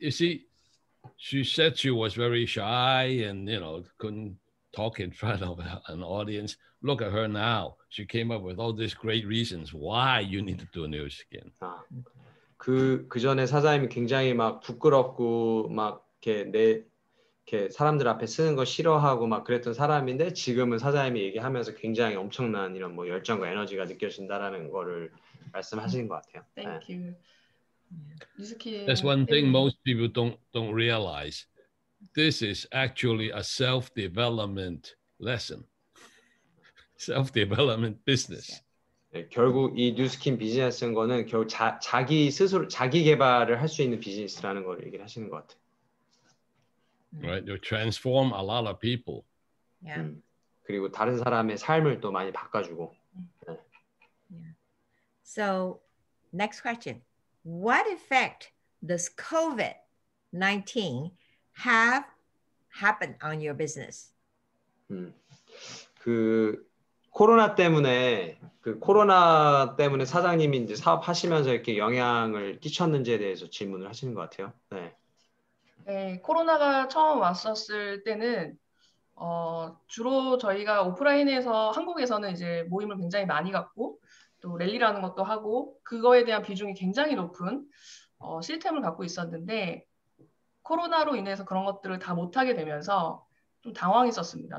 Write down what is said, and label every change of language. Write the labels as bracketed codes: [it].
[en] See, she said she was very shy and, you know, couldn't talk in front of an audience. Look at her now. She came up with all these great reasons why you need to do a new skin. [ko] 그 전에 사장님이 굉장히 막 부끄럽고 막 이렇게 사람들 앞에 쓰는 거 싫어하고 막 그랬던 사람인데 지금은 사장님이 얘기하면서 굉장히 엄청난 이런 뭐 열정과 에너지가 느껴진다라는 거를 말씀하시는 것 같아요. [en] Thank you. That's one thing most people don't realize. This is actually a self-development lesson. Self-development business. [ko] 네, 결국 이 뉴스킨 비즈니스인 거는 결국 자기 스스로 자기 개발을 할 수 있는 비즈니스라는 거를 얘기를 하시는 것 같아요. [en] Right, you transform a lot of people. Yeah. [ko] 그리고 다른 사람의 삶을 또 많이 바꿔주고. [en] Yeah. So, next question. What effect does COVID-19 have happened on your business? [ko] 그 코로나 때문에 사장님이 이제 사업하시면서 이렇게 영향을 끼쳤는지에 대해서 질문을 하시는 것 같아요. 네. 네, 코로나가 처음 왔었을 때는 주로 저희가 오프라인에서 한국에서는 이제 모임을 굉장히 많이 갖고 또 랠리라는 것도 하고 그거에 대한 비중이 굉장히 높은 시스템을 갖고 있었는데 코로나로 인해서 그런 것들을 다 못하게 되면서 좀 당황했었습니다.